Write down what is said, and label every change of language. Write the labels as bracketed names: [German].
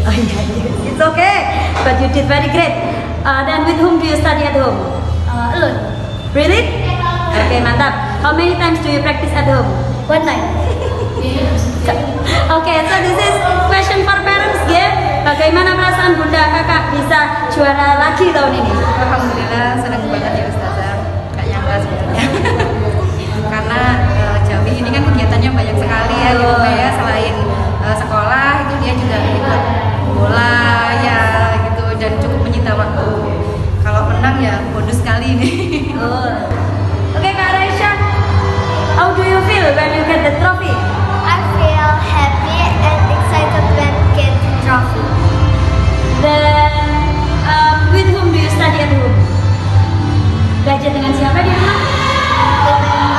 [English] Oh yeah, it's okay. But you did very great. Then with whom do you study at home? Alone. Really? Okay, mantap. How many times do you practice at home? One night. Okay, so this is question for parents, yeah? [Indonesian] Bagaimana perasaan Bunda Kakak bisa juara lagi tahun ini? Alhamdulillah, senang banget ya Ustazah. Gak nyangka sebenarnya. Karena Jami ini kan kegiatannya banyak sekali ya, gitu ya. Selain sekolah, itu dia juga ikut bola ya, gitu. Dan cukup menyita waktu. Kalau menang ya bonus sekali ini. [English] Oke, Kak Raisha, how do you feel when you get the trophy? I feel happy and excited when get the trophy. Then, with whom do you study at home? [Indonesian] Belajar dengan siapa di rumah?